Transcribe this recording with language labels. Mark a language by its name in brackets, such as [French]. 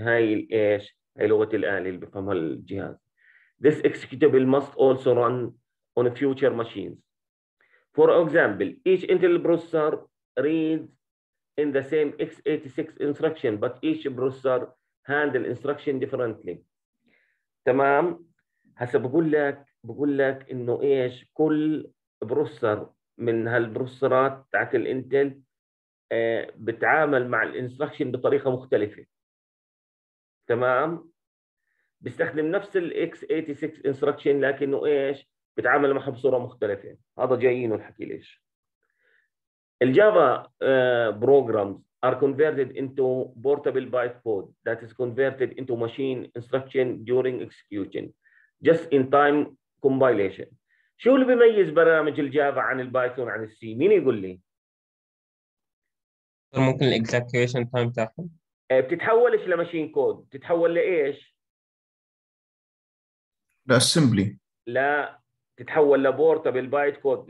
[Arabic] هاي الايش؟ هاي لغة الآلة اللي بفهمها الجهاز. [English] This executable must also run on future machines. For example, each Intel processor reads in the same x86 instruction, but each processor handle instruction differently. [Arabic] تمام، هسه بقول لك انه ايش، كل بروسر من هالبروسرات تاعت الانتل بتعامل مع الانستراكشن بطريقه مختلفه. تمام، بيستخدم نفس الاكس 86 انستراكشن لكنه ايش، بتعامل معها بصوره مختلفه. هذا جايينه الحكي ليش. [English] الجافا programs are converted into portable bytecode that is converted into machine instruction during execution just in time compilation. [Arabic] شو اللي بيميز برامج الجافا عن البايثون عن السي؟ مين يقول لي؟ ممكن الاكزكيوشن تايم تاعهم بتتحولش لماشين كود، تتحول لايش؟ لاسمبلي. لا، تتحول لبورتابل بايت كود.